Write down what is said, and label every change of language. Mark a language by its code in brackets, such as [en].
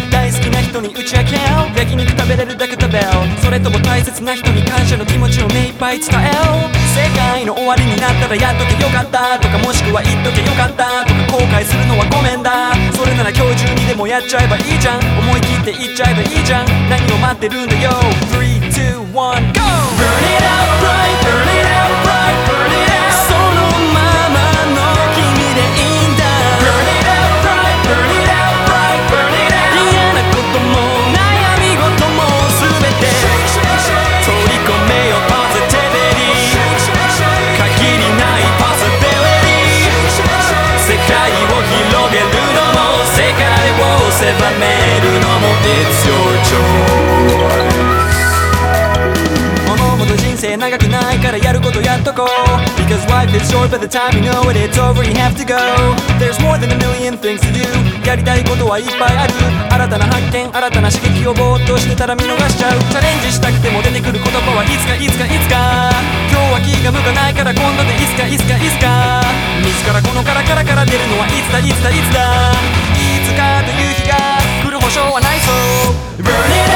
[ja] 大好きな人に打ち明けよう。焼肉食べれるだけ食べよう。それとも大切な人に感謝の気持ちを目いっぱい伝えよう。世界の終わりになったらやっとけよかったとか、もしくは言っとけよかったとか、後悔するのはごめんだ。それなら今日中にでもやっちゃえばいいじゃん。思い切って言っちゃえばいいじゃん。何を待ってるんだよ。3, 2, 1, GO! [en] Burn it out bright, burn it out bright, burn it out. [ja] そのままの君でいいんだ。 [en] Burn it out bright, burn it out bright, burn it out. [ja] 嫌なことも悩み事も全て取り込めよ。 Positivity 限りない Possibility 世界を広げるのも、世界を狭めるのも、 [en] It's your choice。 [ja] 長くないからやることやっとこう。 [en] Because life is short, but the time you know it, it's over, you have to go. There's more than a million things to do. [ja] やりたいことはいっぱいある。新たな発見、新たな刺激をぼーっとしてたら見逃しちゃう。チャレンジしたくても出てくる言葉はいつかいつかいつか。今日は気が向かないから今度でいつかいつかいつか。自らこのカラカラから出るのはいつだいつだいつだ。いつかという日が来る保証はないぞ。 Burn